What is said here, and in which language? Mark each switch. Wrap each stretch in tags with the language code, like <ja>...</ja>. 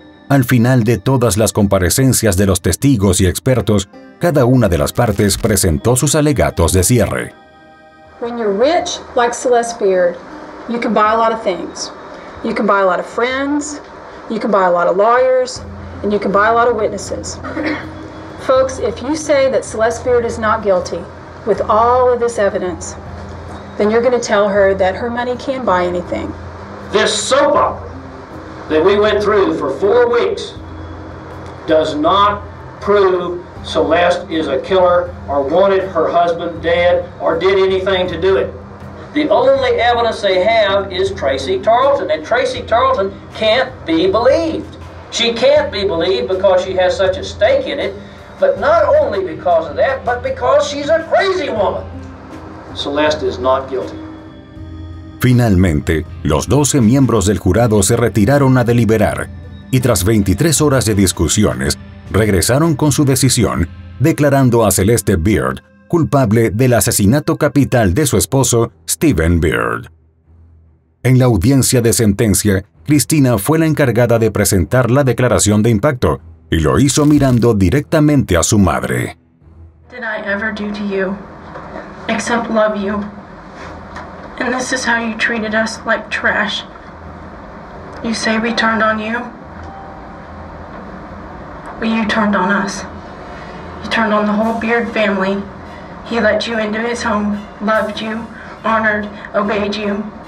<es>Al final de todas las comparecencias de los testigos y expertos, cada una de las partes presentó sus alegatos de cierre.</es> <en>When you're rich, like Celeste Beard, you can buy a lot of things. You can buy a lot of friends, you can buy a lot of lawyers, and you can buy a lot of witnesses. Folks, if you say that Celeste Beard is not guilty with all of this evidence, then you're going to tell her that her money can buy anything. This soap opera that we went through for 4 weeks does not prove Celeste is a killer or wanted her husband dead or did anything to do it. The only evidence they have is Tracy Tarleton, and Tracy Tarleton can't be believed. She can't be believed because she has such a stake in it, but not only because of that, but because she's a crazy woman. Celeste is not guilty.</en> <es>Finalmente, los 12 miembros del jurado se retiraron a deliberar y tras 23 horas de discusiones, regresaron con su decisión, declarando a Celeste Beard culpable del asesinato capital de su esposo, Steven Beard. En la audiencia de sentencia, Cristina fue la encargada de presentar la declaración de impacto y lo hizo mirando directamente a su madre.</es> <en>Did I ever do to you, except love you? And this is how you treated us, like trash. You say we turned on you, but you turned on us. You turned on the whole Beard family. He let you into his home, loved you, honored, obeyed you.</en>